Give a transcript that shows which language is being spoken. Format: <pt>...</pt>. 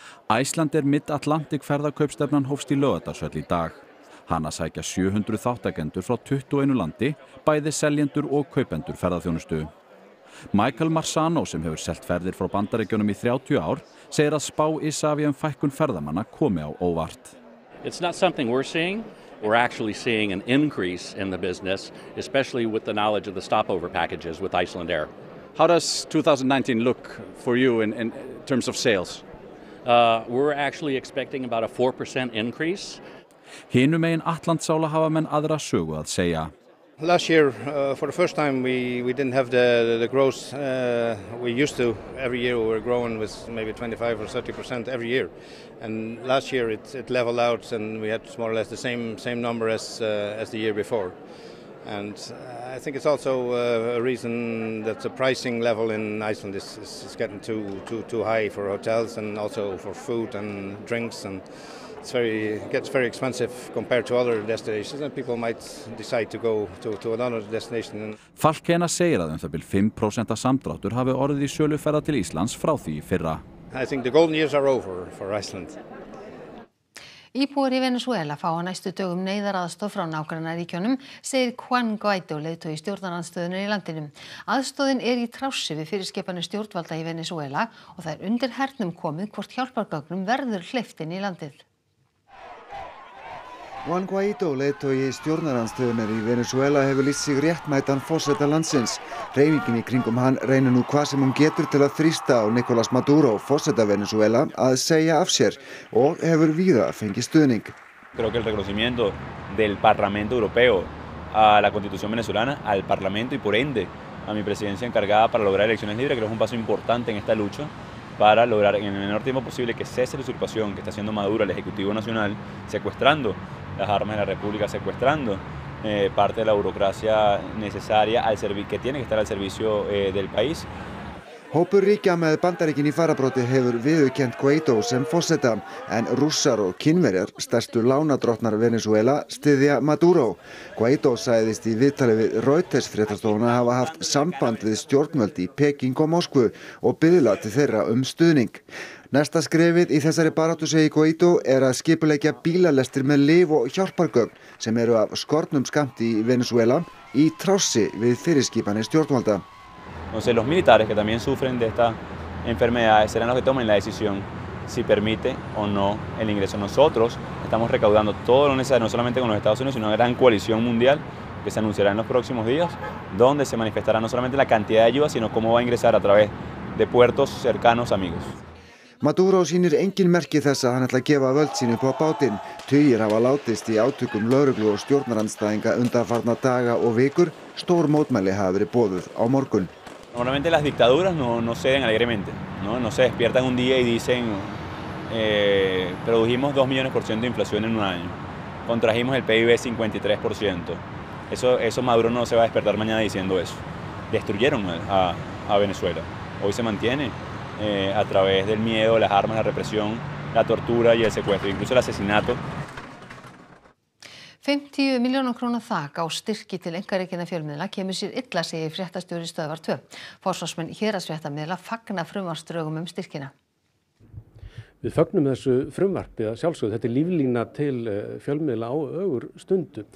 <is>Æsland er Mid-Atlantic ferðakaupstefnan hófst í Laugardalshöll í dag. Hana sækja 700 þáttakendur frá 21 landi, bæði seljendur og kaupendur ferðaþjónustu. Michael Marzano, sem hefur selt ferðir frá Bandaríkjunum í 30 ár, segir að spá Isavia fækkun ferðamanna komi á óvart.</is> <en>It's not something we're seeing. We're actually seeing an increase in the business, especially with the knowledge of the stopover packages with Iceland Air. How does 2019 look for you in terms of sales? We're actually expecting about a 4% increase.</en> <is>Hinum megin Atlantsála hafa menn aðra sögu að segja.</is> <en>Last year, for the first time, we didn't have the growth we used to. Every year we were growing with maybe 25 or 30% every year. And last year it leveled out and we had more or less the same number as the year before. And I think it's also a reason that the pricing level in Iceland is getting too high for hotels and also for food and drinks. And gets very expensive compared to other destinations and people might decide to go to another destination.</en> <is>Falkena segir að það bil 5% samdráttur hafi orðið í sölu ferða til Íslands frá því í fyrra.</is> <en>I think the golden years are over for Iceland.</en> <is>Íbúar í Venezuela fá á næstu dögum neyðaraðstoð frá nágrannaríkjunum, segir Juan Guaido, leiðtogi stjórnarandstöðunnar í landinum. Aðstoðin í trássi við fyrirskipanir stjórnvalda í Venezuela og það undir hernum komið hvort hjálpargögnum verður hleypt inn í landið. Juan Guaido, leiðtogi stjórnarandstöðunnar í Venezuela, hefur lýst sig réttmætan forseta landsins. Hreyfingin í kringum hann reynir nú hvað sem hún getur til að þrýsta á Nicolás Maduro, forseta Venezuela, að segja af sér og hefur víða fengið stuðning.</is> <es>Creo que el reconocimiento del Parlamento Europeo a la Constitución venezolana, al Parlamento y por ende a mi presidencia encargada para lograr elecciones libres, creo que es un paso importante en esta lucha. Para lograr en el menor tiempo posible que cese la usurpación que está haciendo Maduro al Ejecutivo Nacional, secuestrando las armas de la República, secuestrando parte de la burocracia necesaria al servicio que tiene que estar al servicio del país.</es> <is>Hópur ríkja með Bandaríkin í farabroti hefur viðurkennt Guaidó sem forseta, en Rússar og Kínverjar, stærstu lánadrottnar Venezuela, styðja Maduro. Guaidó sagðist í viðtali við Reuters fréttastofuna hafa haft samband við stjórnvöld í Peking og Moskvu og biðla til þeirra stuðning. Næsta skrefið í þessari baráttu segi Guaidó að skipuleggja bílalestir með lyf og hjálpargögn sem eru af skornum skammti í Venezuela í trássi við fyrirskipanir stjórnvalda.</is> <es>Entonces los militares que también sufren de esta enfermedad serán los que tomen la decisión si permite o no el ingreso. Nosotros estamos recaudando todo lo necesario, no solamente con los Estados Unidos, sino una gran coalición mundial que se anunciará en los próximos días, donde se manifestará no solamente la cantidad de ayuda, sino cómo va a ingresar a través de puertos cercanos amigos.</es> <is>Maduro sýnir engin merki þess að hann ætla að gefa völd sín upp á bátinn. Tugir hafa látist í átökum lögreglu og stjórnarandstæðinga undanfarna daga og vikur. Stór mótmæli hafa verið boðuð á morgun.</is> <es>Normalmente las dictaduras no ceden alegremente, no se despiertan un día y dicen produjimos 2,000,000% de inflación en un año, contrajimos el PIB 53%, eso Maduro no se va a despertar mañana diciendo eso, destruyeron a Venezuela, hoy se mantiene a través del miedo, las armas, la represión, la tortura y el secuestro, incluso el asesinato.</es> <is>50,000,000 króna þak á styrki til einkarekinna fjölmiðla kemur sér illa segir fréttastjóri Stöðvar 2. Forsvarsmenn héraðsfréttamiðla fagna frumvarpsdrögum styrkina. Við fögnum þessu frumvarpi að sjálfsögðu. Þetta líflína til fjölmiðla á ögur stundu.</is>